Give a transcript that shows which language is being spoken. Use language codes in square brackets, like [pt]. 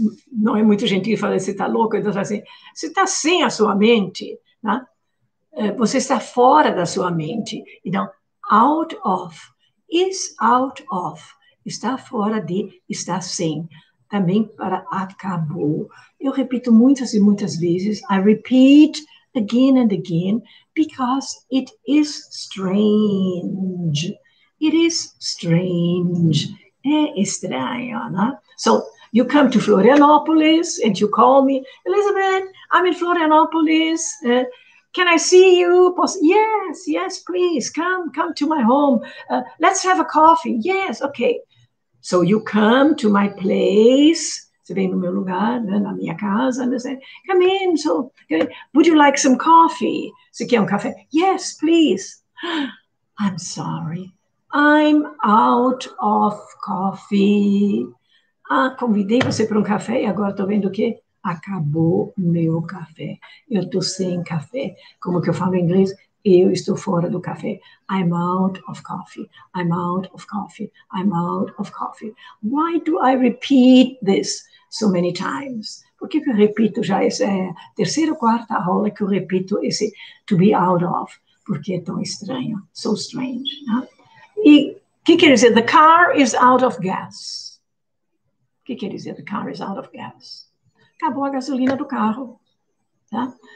[pt] Não é muito gentil falar você está louco, então assim, você está sem a sua mente, né? Você está fora da sua mente, então out of, is out of, está fora de, está sem. Também para acabou. Eu repito muitas e muitas vezes. [en] I repeat again and again because it is strange. It is strange. [pt] É estranho, né? [en] So, you come to Florianópolis and you call me, Elizabeth, I'm in Florianópolis. Can I see you? Yes, yes, please. Come to my home. Let's have a coffee. Yes, okay. So you come to my place. [pt] Você vem no meu lugar, né, na minha casa. [en] And I say, come in. So, would you like some coffee? [pt] Você quer café? [en] Yes, please. I'm sorry. I'm out of coffee. [pt] Ah, convidei você para café e agora estou vendo o quê? Acabou meu café. Eu estou sem café. Como que eu falo em inglês? Eu estou fora do café. [en] I'm out of coffee. I'm out of coffee. I'm out of coffee. Why do I repeat this so many times? [pt] Por que eu repito já essa terceira ou quarta aula que eu repito esse to be out of? Porque é tão estranho. [en] So strange. [pt] Né? E o que quer dizer? [en] The car is out of gas. [pt] O que quer dizer? [en] The car is out of gas. [pt] Acabou a gasolina do carro. Tá?